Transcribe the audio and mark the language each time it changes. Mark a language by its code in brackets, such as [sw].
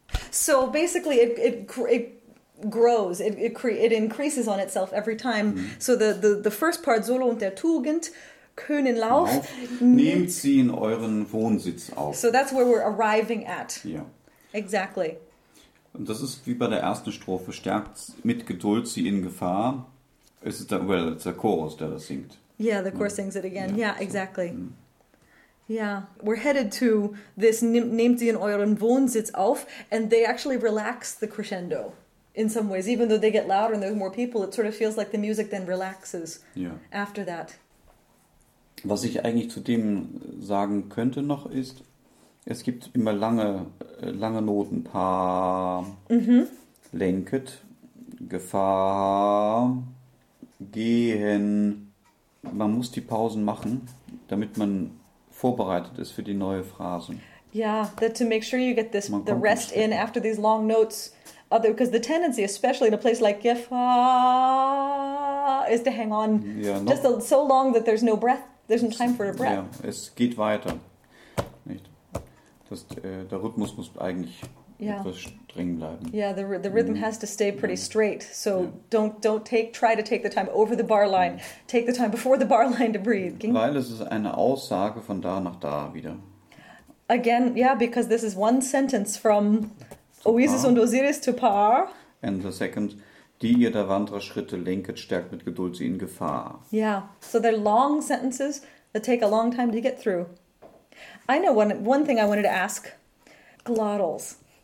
[en] So basically it grows, it increases on itself every time. Mm. So the first part, [de] so lohnt der Tugend, kühnen Lauf. Nehmt sie in euren Wohnsitz auf. [en] So that's where we're arriving at. Yeah. Exactly. [de] Und das ist wie bei der ersten Strophe. Stärkt mit Geduld sie in Gefahr. Es ist [en] it's a chorus, [de] der das singt. [en] Yeah, the chorus sings it again. Yeah, yeah, so. Exactly. Mm. Yeah. We're headed to this [de] nehmt sie in euren Wohnsitz auf. [en] And they actually relax the crescendo in some ways. Even though they get louder and there's more people, it sort of feels like the music then relaxes after that. [de] Was ich eigentlich zu dem sagen könnte noch ist, es gibt immer lange, lange Noten. Paar, lenket, Gefahr, gehen. Man muss die Pausen machen, damit man vorbereitet ist für die neue Phrase. [en] Yeah, that to make sure you get this man the rest in after these long notes. Because the tendency, especially in a place like Gefahr, is to hang on just so long that there's no breath. There's no time for a breath. [de] Ja, es geht weiter. Nicht? Der Rhythmus muss eigentlich etwas streng bleiben. [en] Yeah, the rhythm has to stay pretty straight. So don't try to take the time over the bar line. Ja. Take the time before the bar line to breathe. [de] Weil es ist eine Aussage von da nach da wieder. [en] Again, because this is one sentence from Oasis und Osiris to Par. [de] And the second, die ihr der Wanderer Schritte lenket, stärkt mit Geduld sie in Gefahr. [en] Yeah, so they're long sentences that take a long time to get through. I know one thing I wanted to ask. Glottals.